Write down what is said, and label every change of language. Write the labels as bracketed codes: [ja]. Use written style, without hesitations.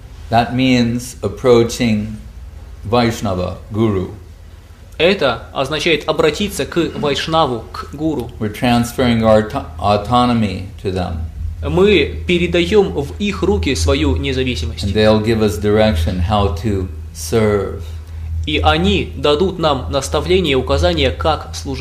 [en] That means approaching Vaishnava, guru. [ru] Это означает обратиться к Вайшнаву, к гуру. [en] We're transferring our autonomy to them. [ru] Мы передаем в их руки свою независимость. [en] And they'll give us direction how to serve. [ru] И они дадут нам наставление, указание, как